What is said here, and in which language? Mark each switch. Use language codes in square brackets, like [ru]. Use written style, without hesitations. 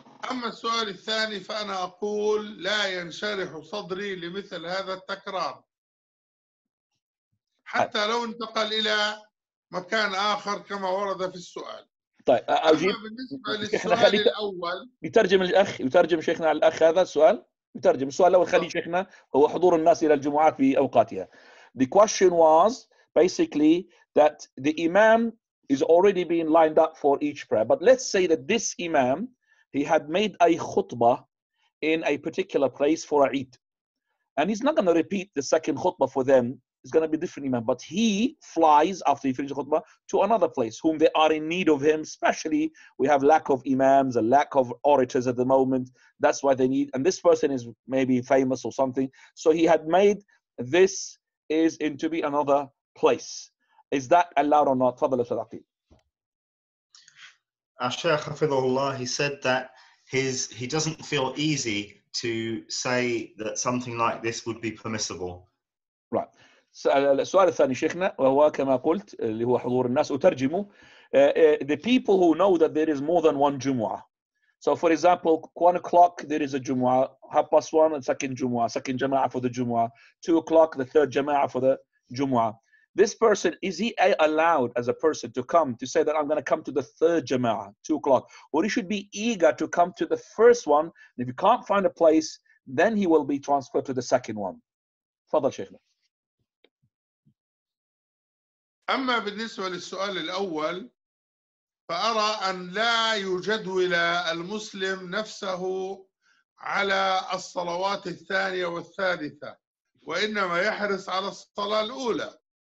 [ar] أما السؤال الثاني فأنا أقول لا ينشرح صدري لمثل هذا التكرار، حتى لو انتقل إلى مكان آخر كما ورد في السؤال. طيب أجيب. بالنسبة للسؤال الأول مترجم الأخ، مترجم شيخنا على الأخ هذا السؤال، مترجم السؤال الأول خلي شيخنا، هو حضور الناس إلى الجمعات في أوقاتها. [en] The question was basically that the imam is already being lined up for each prayer. But let's say that this imam, he had made a khutbah in a particular place for Eid. And he's not going to repeat the second khutbah for them. It's going to be a different imam. But he flies after he finishes the khutbah to another place whom they are in need of him. Especially we have lack of imams, a lack of orators at the moment. That's why they need. And this person is maybe famous or something. So he had made this is in to be another place. Is that allowed or not? [ar] Tafadhal Ustadh [en] Aqil. Ash-Shaykh Hafidhahullah, he said that he doesn't feel easy to say that something like this would be permissible. Right. [ar] السؤال الثاني شيخنا وهو كما قلت اللي هو حضور الناس أترجمه. [en] The people who know that there is more than one Jumu'ah. So for example, 1 o'clock, there is a Jumu'ah. 1:30, the second Jumu'ah, second Jama'ah for the Jumu'ah. 2 o'clock, the third Jama'ah for the Jumu'ah. This person, is he allowed as a person to come to say that I'm going to come to the third jama'ah, 2 o'clock? Or he should be eager to come to the first one. And if you can't find a place, then he will be transferred to the second one. [ar] Fadal Sheikh. Amma بالنسبة للسؤال الأول فأرى أن لا يجدول المسلم نفسه على الصلوات الثانية والثالثة وإنما يحرص على الصلاة الأولى.